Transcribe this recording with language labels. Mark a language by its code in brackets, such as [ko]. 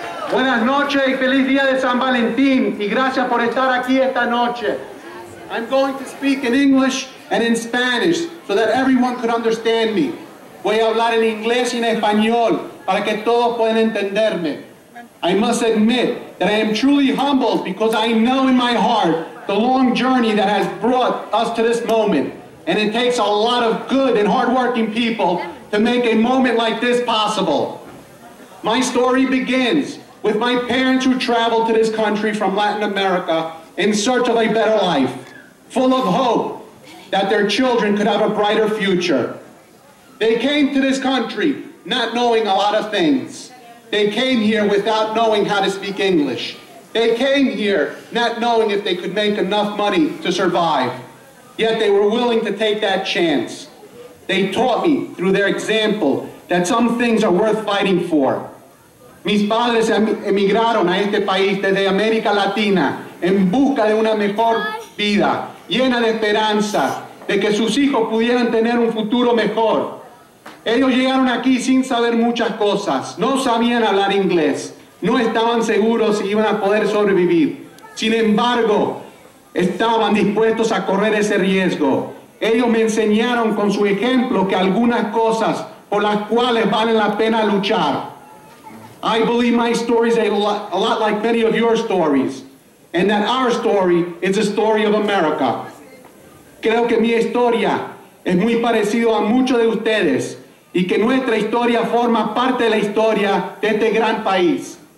[es] Buenas noches y feliz día de San Valentín y gracias por estar aquí esta noche. [en] I'm going to speak in English and in Spanish so that everyone could understand me. [es] Voy a hablar en inglés y en español para que todos puedan entenderme. [en] I must admit that I am truly humbled because I know in my heart the long journey that has brought us to this moment. And it takes a lot of good and hardworking people to make a moment like this possible. My story begins with my parents who traveled to this country from Latin America in search of a better life, full of hope that their children could have a brighter future. They came to this country not knowing a lot of things. They came here without knowing how to speak English. They came here not knowing if they could make enough money to survive. Yet they were willing to take that chance. They taught me through their example that some things are worth fighting for. [es] Mis padres emigraron a este país desde América Latina en busca de una mejor vida, llena de esperanza de que sus hijos pudieran tener un futuro mejor. Ellos llegaron aquí sin saber muchas cosas, no sabían hablar inglés, no estaban seguros si iban a poder sobrevivir. Sin embargo, estaban dispuestos a correr ese riesgo. Ellos me enseñaron con su ejemplo que algunas cosas por las cuales vale la pena luchar. [en] I believe my story is a lot like many of your stories, and that our story is the story of America. [es] Creo que mi historia es muy parecido a muchos de ustedes, y que nuestra historia forma parte de la historia de este gran país.